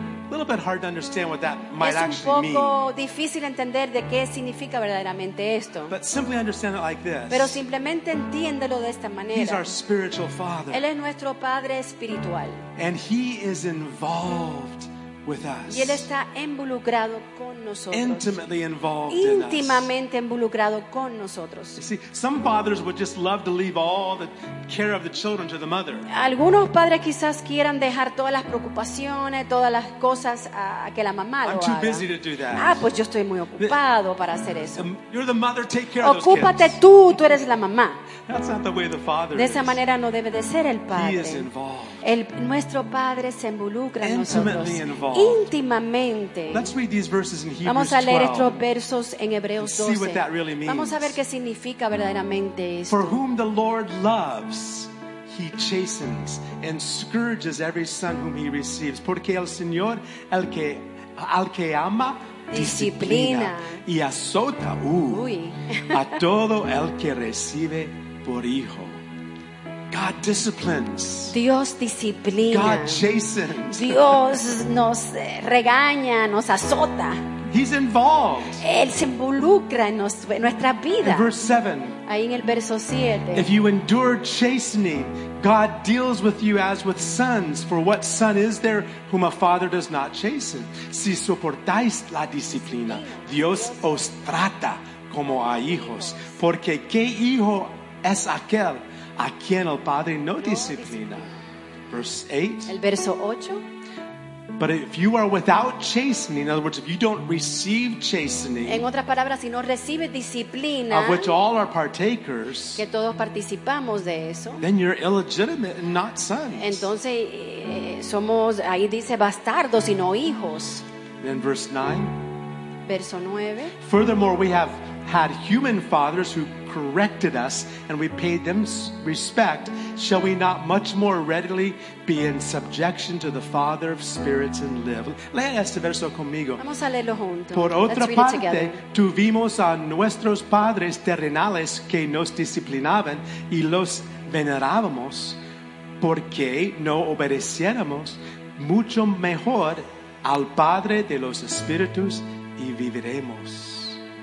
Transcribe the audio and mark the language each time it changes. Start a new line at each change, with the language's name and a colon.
English: A little bit hard to understand what that might actually mean.
Spanish: Es un poco difícil entender de qué significa verdaderamente esto.
English: But simply understand it like this.
Spanish: Pero simplemente entiéndelo de esta manera.
English: He's our spiritual father.
Spanish: Él es nuestro padre espiritual.
English: And he is involved with us.
Spanish: Y él está involucrado con nosotros.
English: Intimately involved in us.
Spanish: Íntimamente involucrado con nosotros.
English: You see, some fathers would just love to leave all the care of the children to the mother.
Spanish: Algunos padres quizás quieran dejar todas las preocupaciones, todas las cosas a que la mamá lo haga.
English: I'm too busy to do that.
Spanish: Ah, pues yo estoy muy ocupado para hacer eso.
English: You're the mother, take care
Spanish: Ocúpate
English: of those kids.
Spanish: Tú eres la mamá.
English: That's not the way the father
Spanish: De esa manera no debe de ser el padre.
English: He is involved.
Spanish: Nuestro padre se involucra en nosotros.
English: Intimately involved.
Spanish: Íntimamente.
English: Let's read these verses in Hebrews
Spanish: Vamos a leer estos versos en Hebreos 12.
English: See what that really means.
Spanish: Vamos a ver qué significa verdaderamente esto.
English: For whom the Lord loves, he chastens and scourges every son whom he receives.
Spanish: Porque el Señor, al que ama, disciplina y azota a todo el que recibe por hijo.
English: God disciplines.
Spanish: Dios disciplina.
English: God chastens.
Spanish: Dios nos regaña, nos azota.
English: He's involved.
Spanish: Él se involucra en nuestra vida.
English: In verse 7.
Spanish: Ahí en el verso 7.
English: If you endure chastening, God deals with you as with sons. For what son is there whom a father does not chasten?
Spanish: Si soportáis la disciplina, Dios os trata como a hijos. Porque qué hijo es aquel a quien el padre no disciplina.
English: Verse 8.
Spanish: El verso 8.
English: But if you are without chastening, in other words, if you don't receive chastening,
Spanish: en otras palabras, si no recibe disciplina,
English: of which all are partakers,
Spanish: que todos participamos de eso,
English: then you're illegitimate and not sons.
Spanish: Entonces, somos, ahí dice bastardos y no hijos.
English: Then verse 9.
Spanish: Verso 9.
English: Furthermore, we have had human fathers who corrected us and we paid them respect, shall we not much more readily be in subjection to the Father of spirits and live?
Spanish: Lea este verso conmigo. Vamos a leerlo juntos. Por otra parte, tuvimos a nuestros padres terrenales que nos disciplinaban y los venerábamos porque no obedeciéramos, mucho mejor al Padre de los espíritus y viviremos.